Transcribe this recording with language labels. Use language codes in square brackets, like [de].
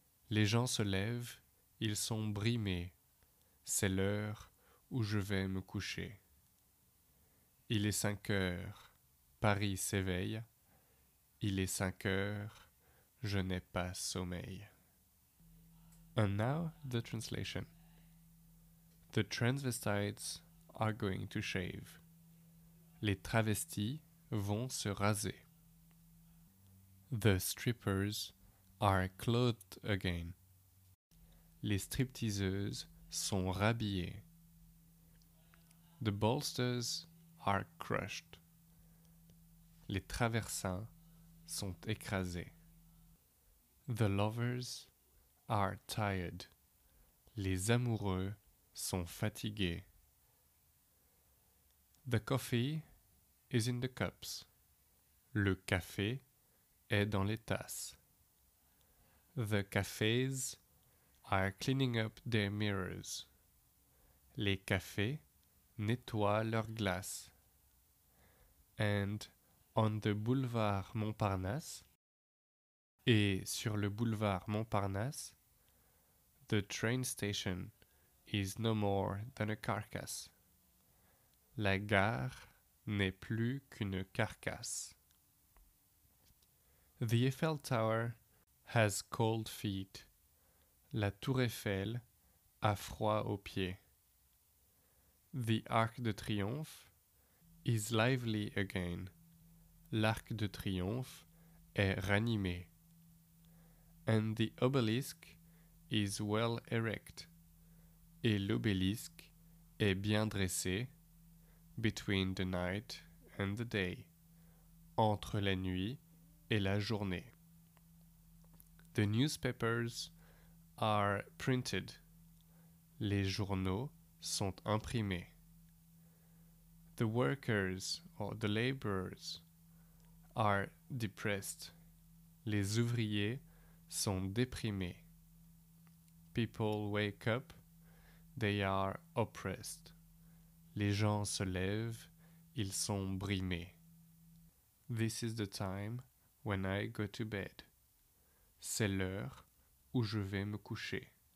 [fr] Les gens se lèvent, ils sont brimés. C'est l'heure où je vais me coucher. Il est 5 heures, Paris s'éveille. Il est 5 heures, je n'ai pas sommeil. [en] And now the translation. The transvestites are going to shave. [fr] Les travestis vont se raser. [en] The strippers are clothed again. [fr] Les stripteaseuses sont rhabillées. [en] The bolsters are crushed. [fr] Les traversins sont écrasés. [en] The lovers are tired. [fr] Les amoureux sont fatigués. [en] The coffee is in the cups. [fr] Le café est dans les tasses. [en] The cafes are cleaning up their mirrors. [fr] Les cafés nettoient leur glace. [en] And on the boulevard Montparnasse, [fr] et sur le boulevard Montparnasse, [en] the train station is no more than a carcass. [fr] La gare n'est plus qu'une carcasse. [en] The Eiffel Tower has cold feet. [fr] La tour Eiffel a froid aux pieds. [en] The Arc de Triomphe is lively again. [fr] L'Arc de Triomphe est ranimé. [en] And the obelisk is well erect. [fr] Et l'obélisque est bien dressé. [en] Between the night and the day. [fr] Entre la nuit et la journée. [en] The newspapers are printed. [fr] Les journaux sont imprimés. [en] The workers or the laborers are depressed. [fr] Les ouvriers sont déprimés. [en] People wake up, they are oppressed. [fr] Les gens se lèvent, ils sont brimés. [en] This is the time when I go to bed. [fr] C'est l'heure où je vais me coucher.